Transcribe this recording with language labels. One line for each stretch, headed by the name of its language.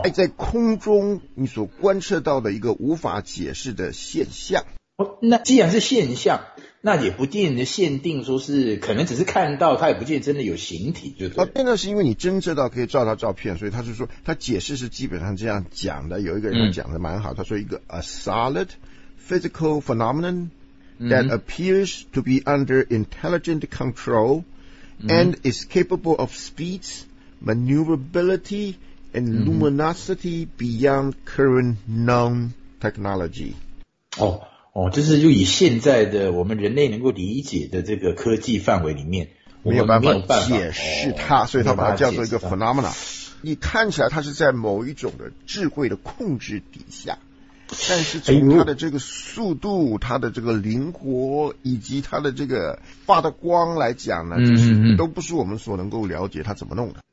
Chinese: 在空中你所观测到的一个无法解释的现象。哦，那既然是现象，那也不见得限定说是可能只是看到，它也不见得真的有形体，就对。哦，那是因为你侦测到可以照到照片，所以他是说他解释是基本上这样讲的。有一个人讲的蛮好，他说一个
English: a solid physical phenomenon that appears to be under intelligent control and is capable of speeds, maneuverability and luminosity beyond current known technology。
Chinese: 哦，就是就以现在的我们人类能够理解的这个科技范围里面，我们没有办法解释它，所以它把它叫做一个 phenomena。你看起来它是在某一种的智慧的控制底下，但是从它的这个速度、它的这个灵活以及它的这个发的光来讲呢，就是都不是我们所能够了解它怎么弄的。